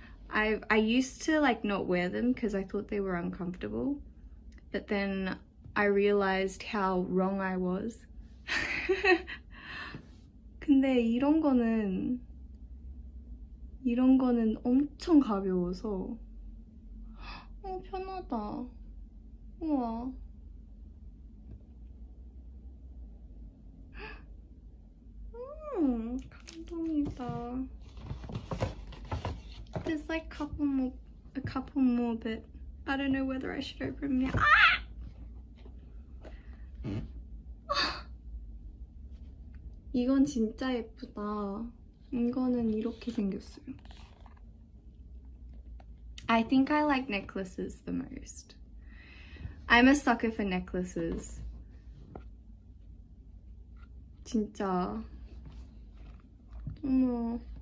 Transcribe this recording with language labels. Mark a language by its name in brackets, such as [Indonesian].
[English] I used to like not wear them because I thought they were uncomfortable, but then I realized how wrong I was. [Korean] 근데 이런 거는 엄청 가벼워서 편하다. 우와. 감동이다. [English] There's like a couple more, but I don't know whether I should open them. [Korean] 이건 진짜 예쁘다. 이거는 이렇게 생겼어요. [English] I think I like necklaces the most. I'm a sucker for necklaces. [Korean] 진짜. 어머.